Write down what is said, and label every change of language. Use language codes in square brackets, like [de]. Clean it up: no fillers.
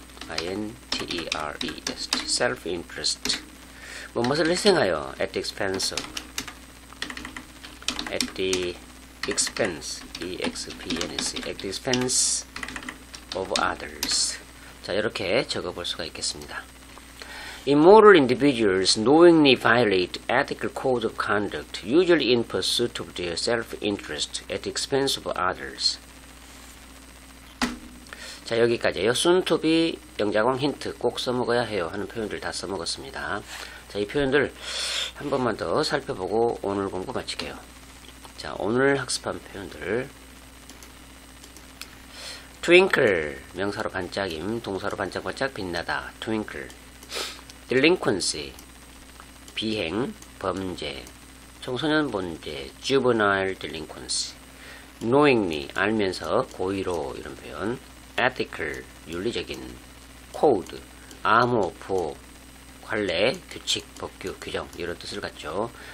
[en] I-N-T-E-R-E-S-T, self-interest, [ko] 무엇을 희생하여, [en] at the expense of, at the expense, E-X-P-N-S-E, at the expense of others. [ko] 자, 이렇게 적어볼 수가 있겠습니다. [en] Immoral individuals knowingly violate ethical codes of conduct, usually in pursuit of their self-interest, at the expense of others. [ko] 자, 여기까지요. 순투비, 영자광, 힌트 꼭 써먹어야 해요 하는 표현들 다 써먹었습니다. 자, 이 표현들 한 번만 더 살펴보고 오늘 공부 마칠게요. 자, 오늘 학습한 표현들 twinkle, 명사로 반짝임, 동사로 반짝반짝 빛나다, twinkle, delinquency, 비행, 범죄, 청소년 범죄, juvenile delinquency, knowingly, 알면서, 고의로, 이런 표현, ethical, 윤리적인, code, 암호, 부호, 관례, 규칙, 법규, 규정, 이런 뜻을 갖죠.